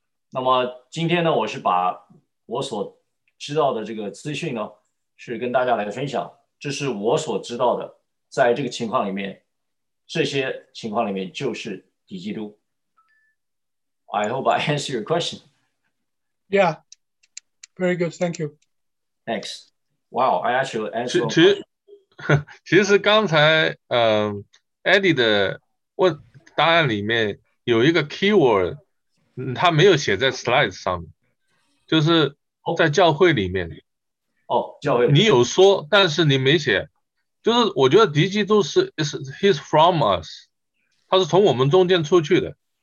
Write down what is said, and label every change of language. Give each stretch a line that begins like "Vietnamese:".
Chinese: 那么今天呢，我是把我所知道的这个资讯呢是跟大家来分享，这是我所知道的。在这个情况里面，这些情况里面就是敌基督。
English: I hope I answer your question. Yeah, very good. Thank you. Thanks. Wow, I actually answered.
Chinese: 其实刚才Eddie 的问答案里面有一个 keyword， 他没有写在 slides 上面，就是在教会里面。 Oh, 教会。你有说，但是你没写。就是我觉得敌基督是
English: he's from us，
Chinese: 他是从我们中间出去的。